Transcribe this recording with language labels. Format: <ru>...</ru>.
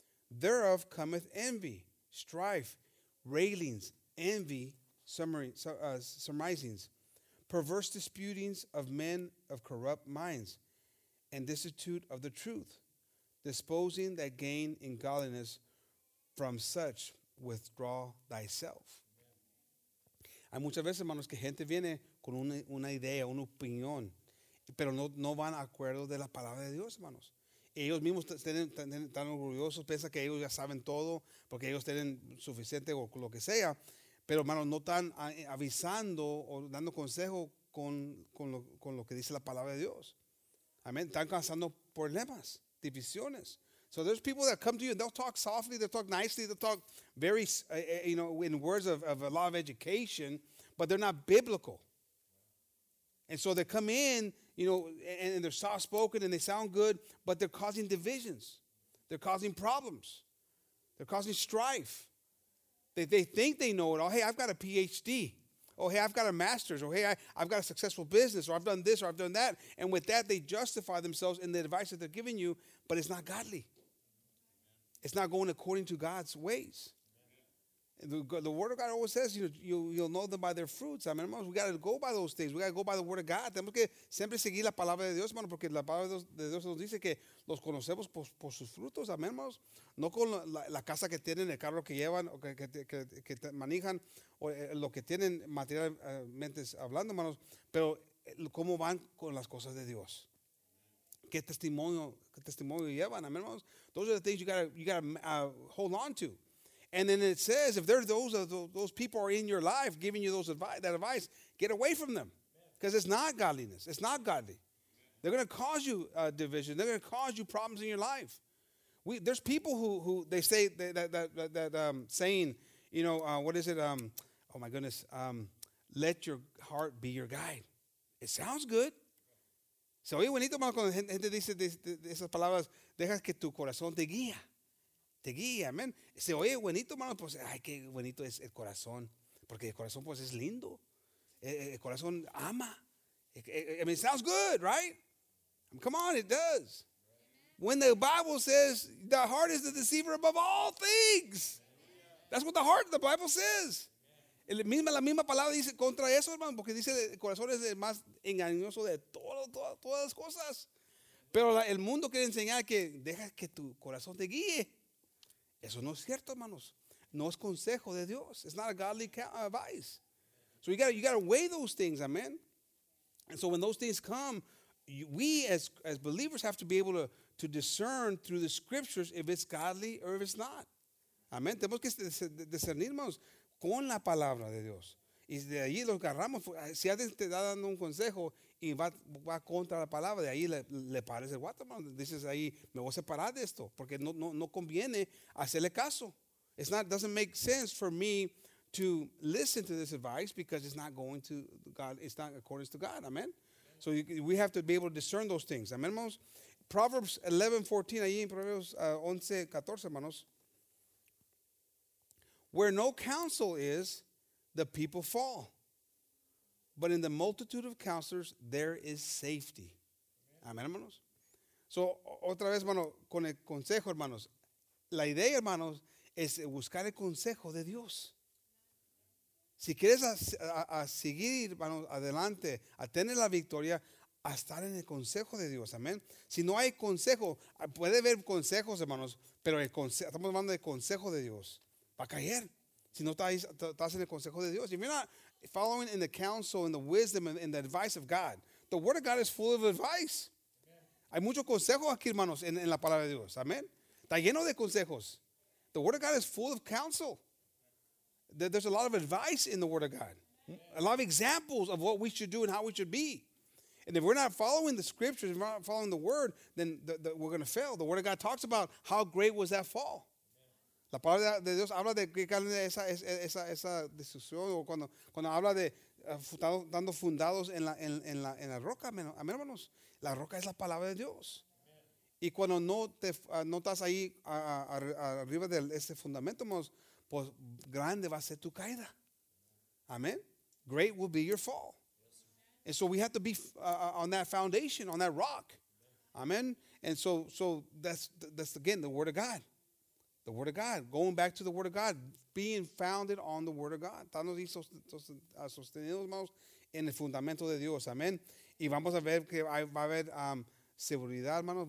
<en>Thereof cometh envy, strife, railings, envy, surmisings, perverse disputings of men of corrupt minds, and destitute of the truth, disposing that gain in godliness, from such withdraw thyself.</en> <es>Hay muchas veces, hermanos, que gente viene con una idea, una opinión, pero no van a acuerdo de la palabra de Dios, hermanos. Ellos mismos están orgullosos, piensan que ellos ya saben todo, porque ellos tienen suficiente o lo que sea. Pero, hermanos, no están avisando o dando consejo con lo que dice la palabra de Dios. Amen. Están causando problemas, divisiones.</es> <en>So there's people that come to you and they'll talk softly, they'll talk nicely, they'll talk very, you know, in words of a lot of education, but they're not biblical. And so they come in, you know, and they're soft-spoken and they sound good, but they're causing divisions. They're causing problems. They're causing strife. They think they know it all. Hey, I've got a PhD. Oh, hey, I've got a master's. Or, hey, I've got a successful business. Or, I've done this or I've done that. And with that, they justify themselves in the advice that they're giving you, but it's not godly. It's not going according to God's ways. The Word of God always says, you know, you'll know them by their fruits. I mean, hermanos, we got to go by those things. We got to go by the Word of God.</en> <es>Tenemos que siempre seguir la palabra de Dios, hermano, porque la palabra de Dios nos dice que los conocemos por sus frutos. Amén, hermanos. No con la casa que tienen, el carro que llevan, o que manejan, o lo que tienen materialmente hablando, hermanos, pero cómo van con las cosas de Dios. ¿Qué testimonio llevan? Amén, hermanos.</es> <en>Those are the things you gotta hold on to. And then it says, if there's those people are in your life giving you that advice, get away from them. Because it's not godliness. It's not godly. They're going to cause you division. They're going to cause you problems in your life. There's people who they say that saying, you know, what is it? Oh, my goodness. Let your heart be your guide. It sounds good.</en> <es>So, oye, bonito, hermano, cuando gente dice esas palabras, deja que tu corazón te guía. Te guía, amén. Se oye bonito, hermano, pues, ay, qué bonito es el corazón. Porque el corazón, pues, es lindo. El corazón ama.</es> <en>I mean, it sounds good, right? I mean, come on, it does. When the Bible says the heart is the deceiver above all things. That's what the heart of the Bible says.</en> <es>La misma palabra dice contra eso, hermano, porque dice el corazón es el más engañoso de todas las cosas. Pero el mundo quiere enseñar que deja que tu corazón te guíe. Eso no es cierto, hermanos. No es consejo de Dios.</es> <en>It's not a godly advice. So you gotta weigh those things, amen. And so when those things come, we as believers have to be able to discern through the scriptures if it's godly or if it's not. Amen.</en> <es>Tenemos que discernirnos con la palabra de Dios. Y de ahí lo agarramos. Si alguien te está dando un consejo y va contra la palabra, de ahí le pares el guato, hermano. Dices ahí, me voy a separar de esto porque no conviene hacerle caso.</es> <en>It doesn't make sense for me to listen to this advice because it's not going to God. It's not according to God. Amen. So we have to be able to discern those things. Amen, hermanos.</en> <es>Proverbs 11:14, ahí en Proverbios 11:14, hermanos.</es> <en>Where no counsel is, the people fall. But in the multitude of counselors, there is safety.</en> <es>Amen, hermanos. So, otra vez, hermano, con el consejo, hermanos. La idea, hermanos, es buscar el consejo de Dios. Si quieres a seguir, hermano, adelante, a tener la victoria, a estar en el consejo de Dios. Amén. Si no hay consejo, puede haber consejos, hermanos, pero estamos hablando del consejo de Dios. Va a caer. Si no estás en el consejo de Dios.</es> <en>If you're not following in the counsel, in the wisdom, in the advice of God, the word of God is full of advice.</en> <es>Hay muchos consejos aquí, hermanos, en la palabra de Dios. Amén. Está lleno de consejos.</es> <en>The word of God is full of counsel. There's a lot of advice in the word of God. A lot of examples of what we should do and how we should be. And if we're not following the scriptures, if we're not following the word, then we're going to fail. The word of God talks about how great was that fall.</en> <es>La palabra de Dios habla de esa destrucción o cuando habla de dando fundados en la roca. Amén, hermanos. La roca es la palabra de Dios. Y cuando no estás ahí arriba de ese fundamento, pues grande va a ser tu caída.</es> <en>Amén. Great will be your fall. And so we have to be on that foundation, on that rock. Amen. And so that's again, the word of God. The word of God. Going back to the word of God. Being founded on the word of God.</en> <es>Estamos sostenidos, hermanos, en el fundamento de Dios. Amen. Y vamos a ver que va a haber seguridad, hermanos.</es>